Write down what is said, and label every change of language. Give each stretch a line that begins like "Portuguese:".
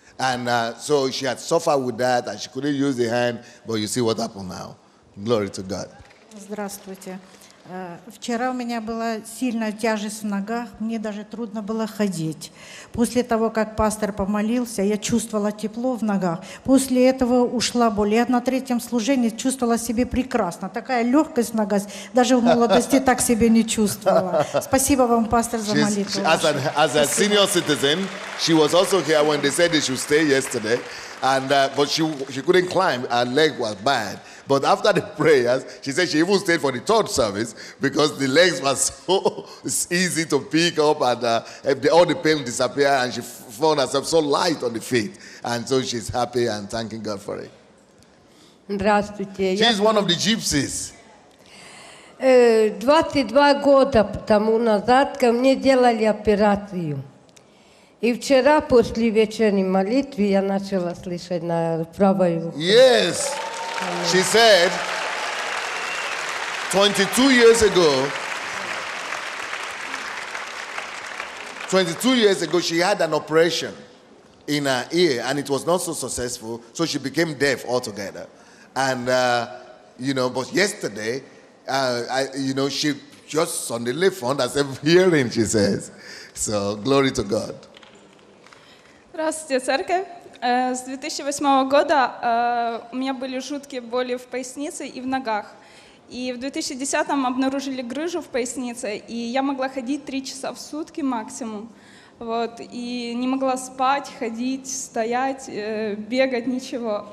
English: And so she had suffered with that, and she couldn't use the hand, but you see what happened now. Glory to God.
Russian: Здравствуйте. Вчера у меня была сильная тяжесть в ногах, мне даже трудно было ходить. После того, как пастор помолился, я чувствовала тепло в ногах. После этого ушла боль. Я на третьем служении чувствовала себя прекрасно. Такая легкость в ногах, даже в молодости так себя не чувствовала. Спасибо вам, пастор, за молитву.
English: As a senior citizen, she was also here when they said they should stay yesterday. And but she couldn't climb, her leg was bad. But after the prayers, she said she even stayed for the third service because the legs were so easy to pick up and all the pain disappeared and she found herself so light on the feet. And so she's happy and thanking God for it.
Russian: Здравствуйте.
English: She's one of the gypsies.
Russian: 22 года тому назад ко мне делали операцию. И вчера после вечерней молитвы я начала слышать на правой руке.
English: Yes. She said, 22 years ago, she had an operation in her ear, and it was not so successful, so she became deaf altogether. And, but yesterday, she just suddenly found herself hearing, she says. So, glory to God.
Russian: Здравствуйте, церковь. С 2008 года у меня были жуткие боли в пояснице и в ногах. И в 2010 обнаружили грыжу в пояснице, и я могла ходить 3 часа в сутки максимум. Вот, и не могла спать, ходить, стоять, бегать, ничего.